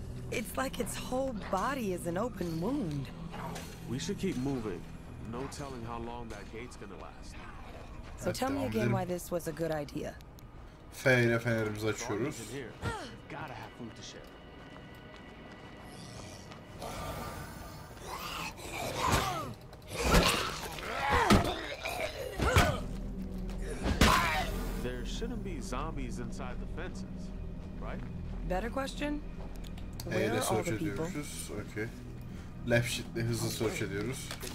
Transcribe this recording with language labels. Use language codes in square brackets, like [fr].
[en] It's like its whole body is an open wound. We should keep moving. No telling how long that gate's gonna last. So tell me again why this was a good idea. [tr] Fenerimizi fenerimiz açıyoruz. [en] Gotta have food to share. There shouldn't be zombies inside the fences, right? Better question. Where are all the people? Okay. [tr] Left shift'le hızlı search ediyoruz.